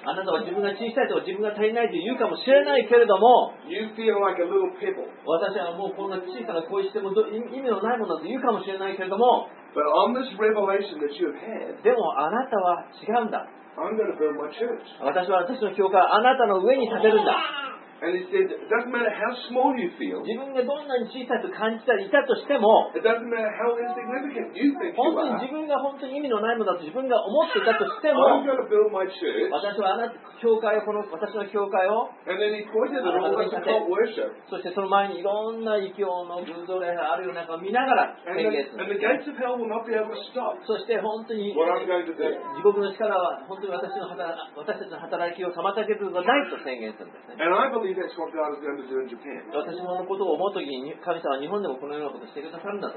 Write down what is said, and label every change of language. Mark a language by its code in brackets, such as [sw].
[ja] あなたは自分が小さいとか自分が足りないと言うかもしれないけれども、 [en] you feel like a little pebble. [ja] 私はもうこんな小さな小石でも意味のないものだと言うかもしれないけれども、 [en] But on this revelation that you have had, [ja] でもあなたは違うんだ。 [en] I'm going to build my church. [ja] 私は私の教会をあなたの上に建てるんだ。 [en] And he said, "It doesn't matter how small you feel." [ja] 自分がどんなに小さいと感じていたとしても、 [en] It doesn't matter how insignificant you think you are. [ja] 本当に自分が本当に意味のないものだと自分が思っていたとしても、 [en] I'm going to build my church. [ja] 私はあなた教会をこの私の教会を、 [en] And then he pointed at all the cult worship. [ja] そしてその前にいろんな異教の偶像礼拝あるような中を見ながら、 [en] And the gates of hell will not be able to stop. [ja] そして本当に、 [en] What I'm going to do. [ja] 地獄の力は本当に私たちの働きを妨げることはないと宣言するんですね。 [en] And I believe. [ja] 私のことを思うときに神様は日本でもこのようなことをしてくださるんだと